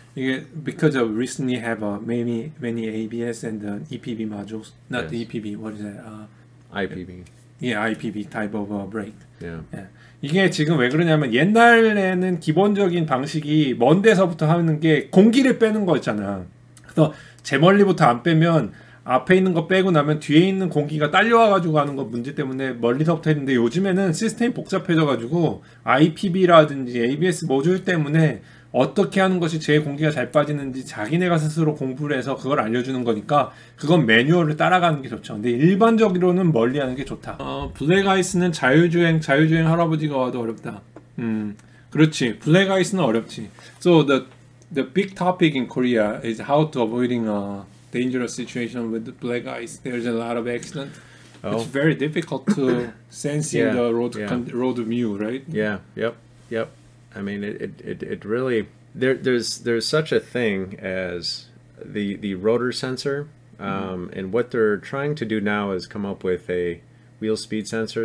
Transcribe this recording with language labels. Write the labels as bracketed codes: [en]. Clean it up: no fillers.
[en] Yeah, because of recently have many ABS and EPB modules. Not the EPB. What is that? IPB. Yeah, IPB type of brake. Yeah. [ko] Yeah. 이게 지금 왜 그러냐면 옛날에는 기본적인 방식이 먼 데서부터 하는 게 공기를 빼는 거였잖아. 그래서 제 멀리부터 안 빼면. 앞에 있는 거 빼고 나면 뒤에 있는 공기가 딸려와가지고 하는 거 문제 때문에 멀리서부터 했는데 요즘에는 시스템이 복잡해져가지고 IPB라든지 ABS 모듈 때문에 어떻게 하는 것이 제 공기가 잘 빠지는지 자기네가 스스로 공부를 해서 그걸 알려주는 거니까 그건 매뉴얼을 따라가는 게 좋죠. 근데 일반적으로는 멀리 하는 게 좋다. 블랙아이스는 자율주행 할아버지가 와도 어렵다. 그렇지. 블랙아이스는 어렵지. [en] So the big topic in Korea is how to avoiding a dangerous situation with the black ice. There's a lot of accident. Oh. It's very difficult to sense in the road view, right? Yeah. Yep. I mean, it really there's such a thing as the rotor sensor, and what they're trying to do now is come up with a wheel speed sensor.